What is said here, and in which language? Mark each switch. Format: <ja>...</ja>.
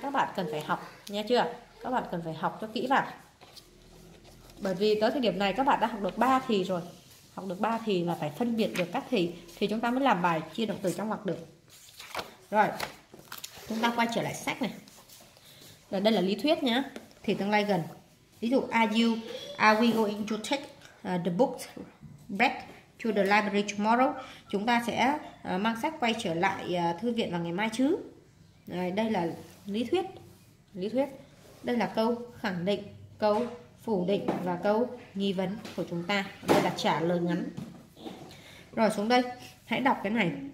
<vi>Các bạn cần phải học, nghe chưa? Các bạn cần phải học cho kỹ vào. Bởi vì tới thời điểm này các bạn đã học được 3 thì rồi. Học được 3 thì là phải phân biệt được các thì chúng ta mới làm bài chia động từ trong ngoặc được. Rồi, chúng ta quay trở lại sách này. Rồi, đây là lý thuyết nhé. Thì tương lai gần. Ví dụ,</vi> <en>are we going to take the book back to the library tomorrow?</en> <vi>Chúng ta sẽ mang sách quay trở lại thư viện vào ngày mai chứ? Rồi, đây là lý thuyết. Lý thuyết. Đây là câu khẳng định, câu phủ định và câu nghi vấn của chúng ta. Đây là trả lời ngắn. Rồi, xuống đây. Hãy đọc cái này.</vi>